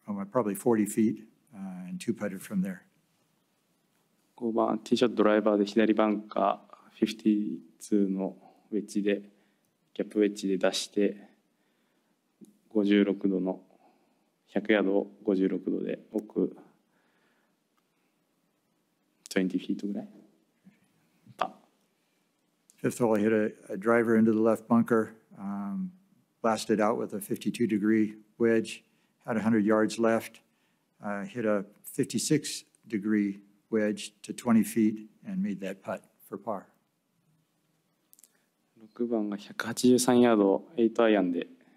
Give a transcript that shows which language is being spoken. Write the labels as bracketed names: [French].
[English] probably 40 feet, and two putted from there. [Japanese] 5番 T-shot ドライバーで左バンカー52のウェッジでキャップウェッジで出して 56度の 100ヤードを56度で奥 [English] 20 feet [Japanese] ぐらい [English] Fifth hole, I hit a driver into the left bunker, blasted out with a 52-degree wedge, had 100 yards left, hit a 56-degree wedge to 20 feet, and made that putt for par. [Japanese] 6番が 183 ヤード, 8 アイアンで,